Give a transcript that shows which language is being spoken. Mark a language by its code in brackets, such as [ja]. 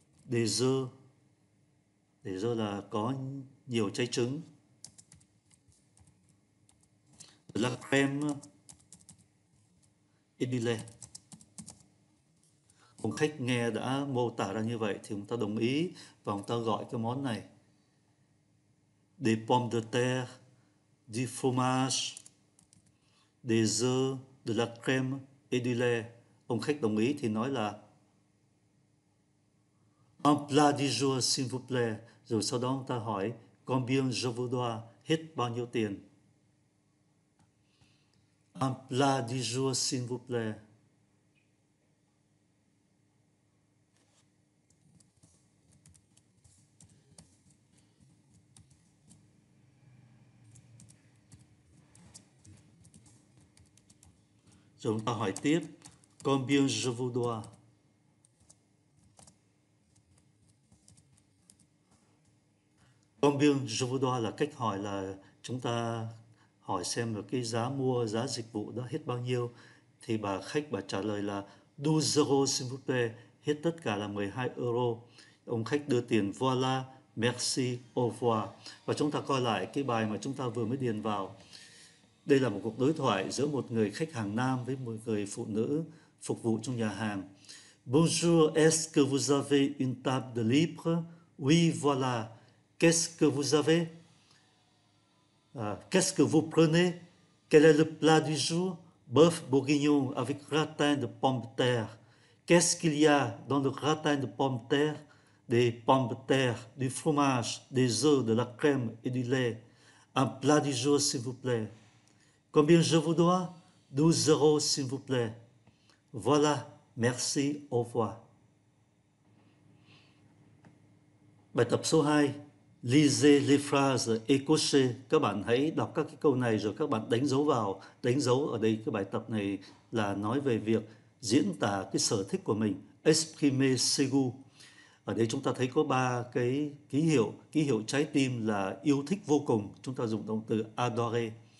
[vi] Dessert là có nhiều trái trứng. Rồi là [fr] crème et du lait. [vi] Ông khách nghe đã mô tả ra như vậy thì ông ta đồng ý và ông ta gọi cái món này. [fr] Des pommes de terre, du fromage, des œufs, de la crème et du lait. [vi] Ông khách đồng ý thì nói là [fr] un plat du jour, s'il vous plaît. [vi] Rồi sau đó ông ta hỏi [fr] combien je vous dois, [vi] hết bao nhiêu tiền. [fr] Un plat du jour, s'il vous plaît. [vi] Chúng ta hỏi tiếp, [fr] combien je vous dois? [vi] Còn [fr] bien, je vous dois [vi] là cách hỏi là chúng ta hỏi xem là cái giá mua, giá dịch vụ đó hết bao nhiêu. Thì bà khách bà trả lời là [fr] 12 euros, s'il vous plaît, [vi] hết tất cả là 12 euro. Ông khách đưa tiền, [fr] voilà, merci, au revoir. [vi] Và chúng ta coi lại cái bài mà chúng ta vừa mới điền vào. Đây là một cuộc đối thoại giữa một người khách hàng nam với một người phụ nữ phục vụ trong nhà hàng. [fr] Bonjour, est-ce que vous avez une table de libre? Oui, voilà. Qu'est-ce que vous avez? Qu'est-ce que vous prenez? Quel est le plat du jour? Bœuf bourguignon avec gratin de pommes de terre. Qu'est-ce qu'il y a dans le gratin de pommes de terre? Des pommes de terre, du fromage, des œufs, de la crème et du lait. Un plat du jour, s'il vous plaît. Combien je vous dois? 12 euros, s'il vous plaît. Voilà, merci, au revoir. [vi] Bài tập số 2. [fr] Lisez les phrases écossaises. [vi] Các bạn hãy đọc các cái câu này rồi các bạn đánh dấu vào. Đánh dấu ở đây cái bài tập này là nói về việc diễn tả cái sở thích của mình. [fr] Exprimer ses goûts. [vi] Ở đây chúng ta thấy có ba cái ký hiệu. Ký hiệu trái tim là yêu thích vô cùng. Chúng ta dùng động từ adorer.